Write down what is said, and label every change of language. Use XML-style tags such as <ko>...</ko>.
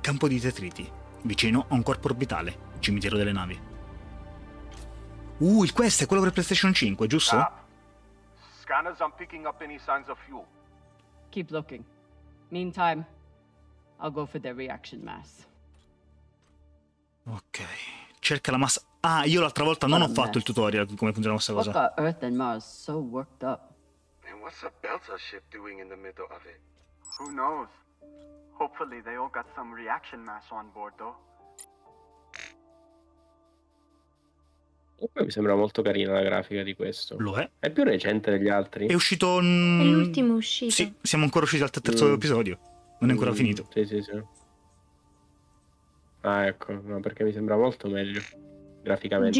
<it>Campo di detriti, vicino a un corpo orbitale, cimitero delle navi. Il quest è quello per PlayStation 5, giusto?</it> <en>Scanners, I'm picking up any signs of fuel. Keep looking. Meantime, I'll go for the reaction mass.</en> <it>Ok, cerca la massa. Ah, io l'altra volta non ho fatto il tutorial di come funziona questa cosa.</it> <en>What about Earth and Mars so worked up? And what's a Belter ship doing in the middle of it? Who knows? Hopefully they all got some reaction mass on board, though.</en> <it>Comunque mi sembra molto carina la grafica di questo. Lo è. È più recente degli altri. È uscito... È l'ultimo uscito. Sì, siamo ancora usciti al terzo episodio. Non è ancora finito. Sì, sì, sì. Ah, ecco. No, perché mi sembra molto meglio. Graficamente.</it>